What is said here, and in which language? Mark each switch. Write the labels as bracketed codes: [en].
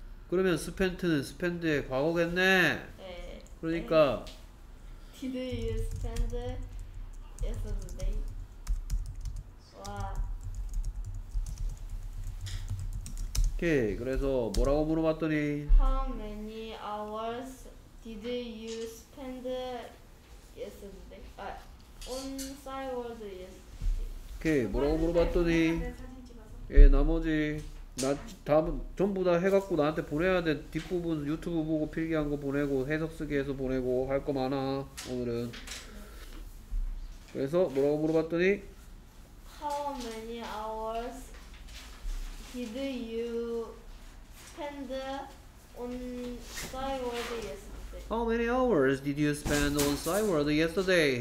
[ko] 그러면 스펜트는 스펜드의 과거겠네. 네. 그러니까. 네. [en] Did you spend yesterday? [ko] 와. 오케이. 그래서 뭐라고 물어봤더니. [en] How many hours did you spend yesterday? 아, on Cyworld yesterday. [ko] 오케이. 뭐라고 물어봤더니. 예, 나머지 나 다음 전부 다 해갖고 나한테 보내야 돼. 뒷부분 유튜브 보고 필기한 거 보내고 해석 쓰기 해서 보내고 할 거 많아 오늘은. 그래서 뭐라고 물어봤더니 [en] How many hours did you spend on Cyworld yesterday? How many hours did you spend on Cyworld yesterday?